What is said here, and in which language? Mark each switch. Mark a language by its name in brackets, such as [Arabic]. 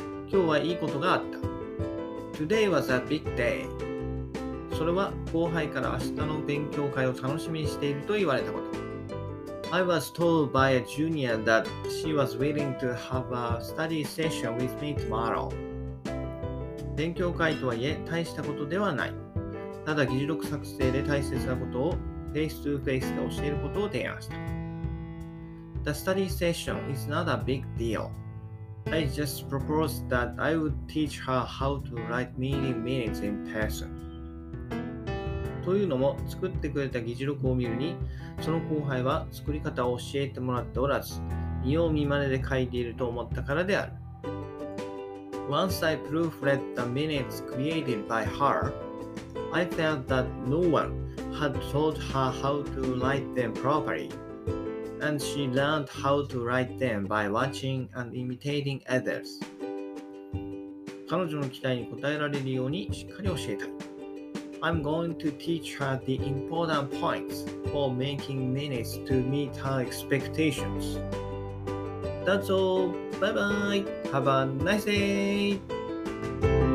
[Japanese] 今日はいいことがあった。 [English] Today was a big day. [Japanese] それは後輩から明日の勉強会を楽しみにしていると言われたこと。 [English] I was told by a junior that she was willing to have a study session with me tomorrow. [Japanese] 勉強会とはいえ大したことではない。ただ議事録作成で大切なことをフェイストゥーフェイスで教えることを提案した。 [English] The study session is not a big deal. I just proposed that I would teach her how to write meeting minutes in person. [Japanese] というのも、作ってくれた議事録を見るに、その後輩は作り方を教えてもらっておらず、見よう見まねで書いていると思ったからである。 [English] Once I proofread the minutes created by her,I felt that no one had taught her how to write them properly, and she learned how to write them by watching and imitating others. [Japanese] 彼女の期待に応えられるようにしっかり教えた。 [English] I'm going to teach her the important points for making minutes to meet her expectations. That's all. Bye bye. Have a nice day.